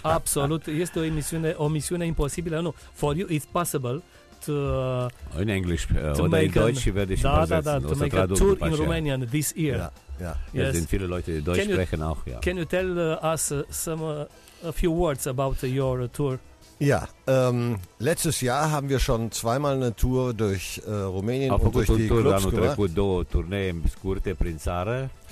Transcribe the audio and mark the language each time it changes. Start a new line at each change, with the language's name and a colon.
Romanian: Absolut, este o emisiune, o misiune imposibilă, nu.
English: For you it's possible to in English, to make a Deutsch,
German: werde ich übersetzen.
English: Da, to make a tour in Romanian this year. Yeah.
German: Sind viele Leute, die Deutsch sprechen auch, ja.
English: Can you tell us some a few words about your tour?
German: Ja, letztes Jahr haben wir schon zweimal eine Tour durch Rumänien und durch die Clubs gemacht.
Romanian: Am făcut două turnee scurte prin țară.